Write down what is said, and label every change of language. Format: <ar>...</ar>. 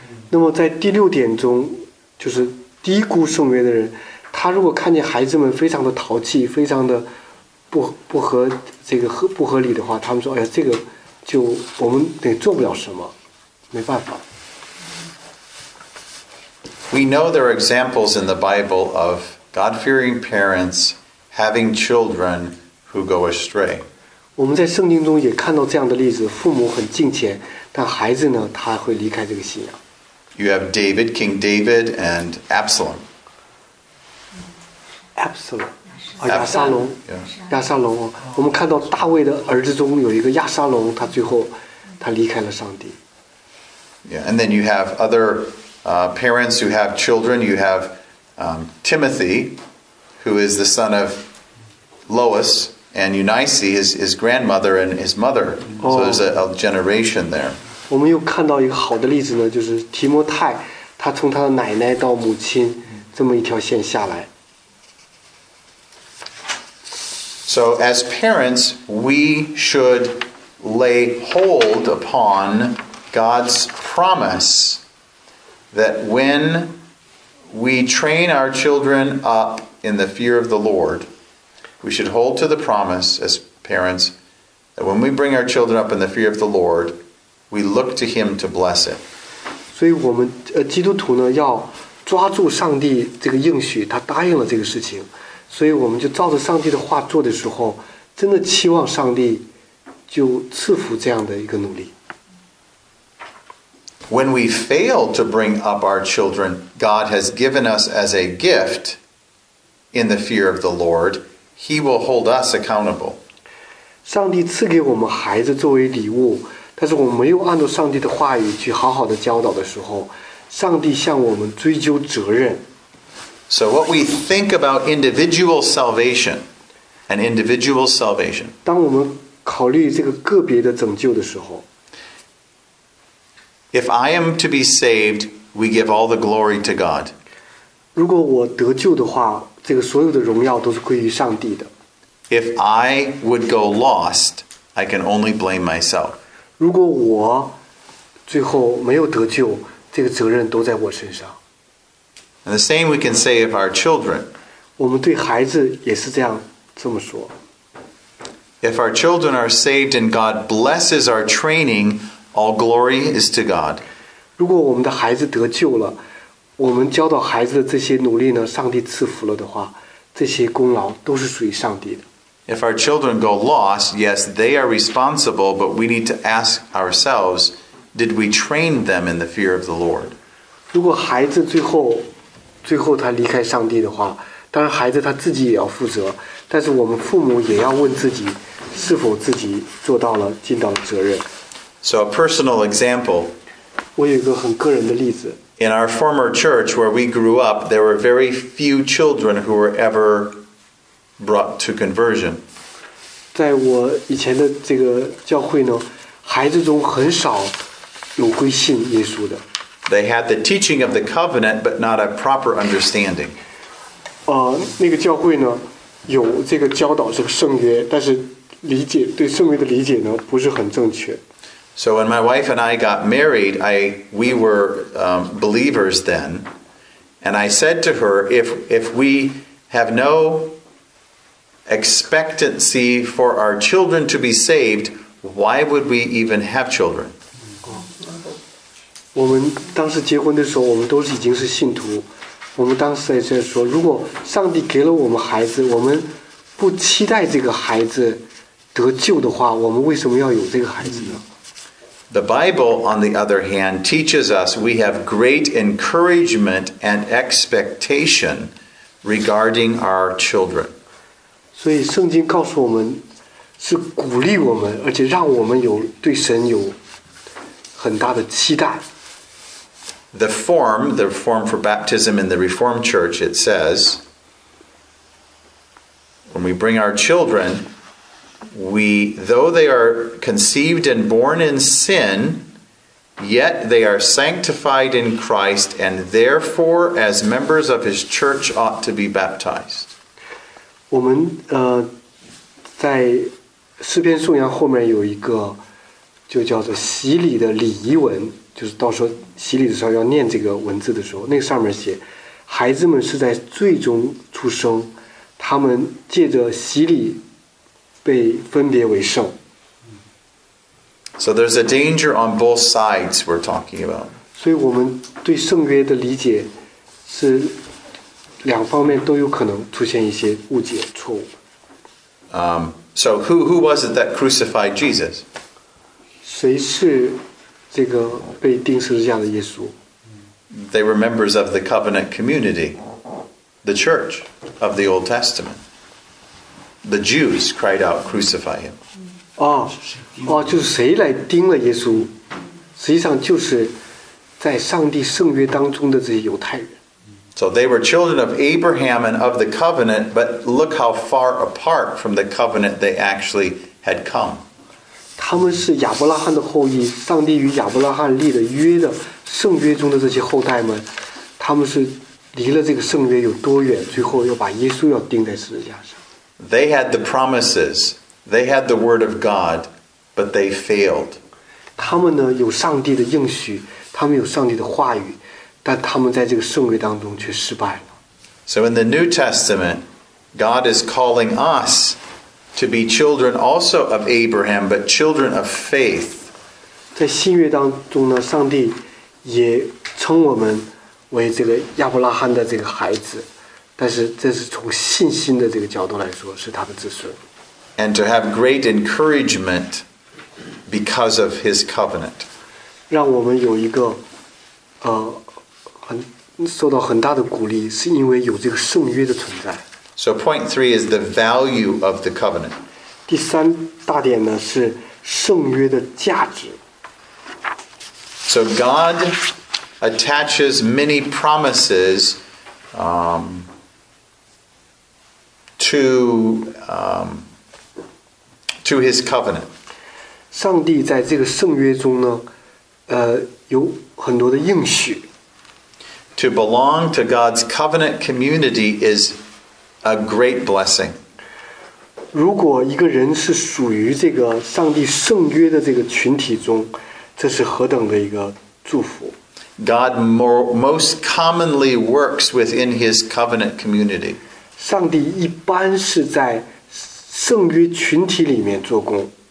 <zh>那么在第六点中，就是低估圣约的人，他如果看见孩子们非常的淘气，非常的不合理的话，他们说：“哎呀，这个就我们得做不了什么，没办法。”</zh> <en>We know there are examples in the Bible of God-fearing parents having children who go astray.</en> <zh>我们在圣经中也看到这样的例子父母很敬虔但孩子呢，他会离开这个信仰。</zh> <en>You have David, King David, and Absalom.</en> <zh>Absalom. 亚撒龙。亚撒龙。我们看到大卫的儿子中有一个亚撒龙，他最后他离开了上帝。</zh> <en>Yeah, and then you have other parents who have children. You have Timothy, who is the son of Lois, and Eunice, his grandmother and his mother. So there's a generation there.</en> <zh>我们又看到一个好的例子呢，就是提摩太，他从他的奶奶到母亲，这么一条线下来。</zh> <en>So as parents, we should lay hold upon God's promise that when we train our children up in the fear of the Lord, we should hold to the promise as parents that when we bring our children up in the fear of the Lord, we look to Him to bless it.</en> <zh>所以我们基督徒呢要抓住上帝这个应许，他答应了这个事情，所以我们就照着上帝的话做的时候，真的期望上帝就赐福这样的一个努力。</zh> <en>When we fail to bring up our children, God has given us as a gift in the fear of the Lord, He will hold us accountable.</en> <zh>上帝赐给我们孩子作为礼物，但是我们没有按照上帝的话语去好好的教导的时候，上帝向我们追究责任。</zh> <en>So what we think about individual salvation, an individual salvation.</en> <zh>当我们考虑这个个别的拯救的时候，</zh> <en>If I am to be saved, we give all the glory to God.</en> <zh>如果我得救的话，这个所有的荣耀都是归于上帝的。</zh> <en>If I would go lost, I can only blame myself.</en> <zh>如果我最后没有得救，这个责任都在我身上。</zh> <en>And the same we can say of our children.</en> <zh>我们对孩子也是这样这么说。</zh> <en>If our children are saved and God blesses our training,All glory is to God.</en> <zh>如果我们的孩子得救了，我们教导孩子的这些努力呢，上帝赐福了的话，这些功劳都是属于上帝的。</zh> <en>If our children go lost, yes, they are responsible, but we need to ask ourselves, did we train them in the fear of the Lord?</en> <zh>如果孩子最后他离开上帝的话，当然孩子他自己也要负责，但是我们父母也要问自己，是否自己做到了，尽到了责任。</zh> <en>So a personal example.</en> <zh>我有一个很个人的例子。</zh> <en>In our former church where we grew up, there were very few children who were ever brought to conversion.</en> <zh>在我以前的这个教会呢，孩子中很少有归信耶稣的。</zh> <en>They had the teaching of the covenant, but not a proper understanding.</en> <zh>那个教会呢，有这个教导这个圣约，但是理解对圣约的理解呢，不是很正确。</zh> <en>So when my wife and I got married, we were believers then, and I said to her, if we have no expectancy for our children to be saved, why would we even have children?</en> <zh>我们当时结婚的时候，我们都是已经是信徒。我们当时在说，如果上帝给了我们孩子，我们不期待这个孩子得救的话，我们为什么要有这个孩子呢？</zh> <en>The Bible, on the other hand, teaches us we have great encouragement and expectation regarding our children.</en> <zh>所以圣经告诉我们是鼓励我们，而且让我们有对神有很大的期待。</zh> <en>The form for baptism in the Reformed Church, it says, when we bring our children,though they are conceived and born in sin, yet they are sanctified in Christ, and therefore, as members of His church, ought to be baptized.</en> <zh>我们在诗篇颂扬后面有一个就叫做洗礼的礼仪文，就是到时候洗礼的时候要念这个文字的时候，那上面写，孩子们是在罪中出生，他们借着洗礼。被分别为圣。</zh> <en>So there's a danger on both sides we're talking about.</en> <zh>所以我们对圣约的理解是两方面都有可能出现一些误解错误。</zh> <en>So who was it that crucified Jesus?</en> <zh>谁是这个被钉十字架的耶稣。</zh> <en>They were members of the covenant community, the church of the Old Testament. The Jews cried out, "Crucify him."</en> <zh>哦，哦，就是谁来钉了耶稣？实际上就是在上帝圣约当中的这些犹太人。</zh> <en>So they were children of Abraham and of the covenant, but look how far apart from the covenant they actually had come.</en> <zh>他们是亚伯拉罕的后裔，上帝与亚伯拉罕立的约的圣约中的这些后代们，他们是离了这个圣约有多远，最后要把耶稣要钉在十字架上。</zh> <en>They had the promises, they had the word of God, but they failed.</en> <zh>他们呢，有上帝的应许，他们有上帝的话语。但他们在这个圣约当中却失败了。</zh> <en>So in the New Testament, God is calling us to be children also of Abraham, but children of faith.</en> <zh>在新约当中呢，上帝也称我们为这个亚伯拉罕的这个孩子，但是这是从信心的这个角度来说，是他的子孙。</zh> <en>And to have great encouragement because of His covenant.</en> <zh>让我们有一个，受到很大的鼓励，是因为有这个圣约的存在。</zh> <en>So point three is the value of the covenant.</en> <zh>第三大点呢是圣约的价值。</zh> <en>So God attaches many promises, to His covenant.</en> <zh>上帝在这个圣约中呢，有很多的应许。</zh> <en>To belong to God's covenant community is a great blessing.</en> <zh>如果一个人是属于这个上帝圣约的这个群体中，这是何等的一个祝福。</zh> <en>God most commonly works within His covenant community.</en> <zh>上帝一般是在圣约群体里面做工。</zh>